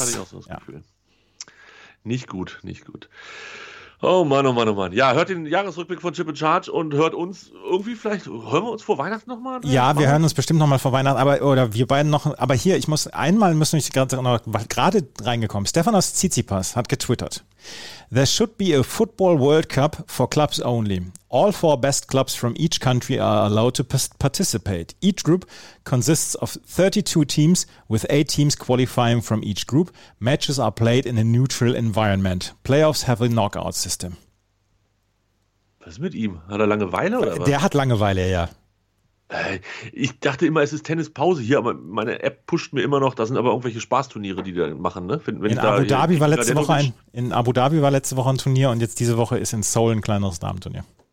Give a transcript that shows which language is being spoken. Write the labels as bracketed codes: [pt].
[de] hatte ich auch so das ja. Gefühl. Nicht gut, nicht gut. Oh Mann, oh Mann, oh Mann. Ja, hört den Jahresrückblick von Chip and Charge und hört uns irgendwie vielleicht, hören wir uns vor Weihnachten nochmal? Ja, wir hören uns bestimmt nochmal vor Weihnachten, aber oder wir beiden noch, aber hier, ich muss einmal, müssen wir gerade reingekommen. Stefanos Tsitsipas hat getwittert. [en] There should be a football World Cup for clubs only. All four best clubs from each country are allowed to participate. Each group consists of 32 teams, with 8 teams qualifying from each group. Matches are played in a neutral environment. Playoffs have a knockout system. [de] Was ist mit ihm? Hat er Langeweile oder was? Der hat Langeweile, ja. Ich dachte immer, es ist Tennispause hier, aber meine App pusht mir immer noch. Da sind aber irgendwelche Spaßturniere, die da machen. Ne? In Abu Dhabi war letzte Woche ein Turnier und jetzt diese Woche ist in Seoul ein kleineres Damenturnier.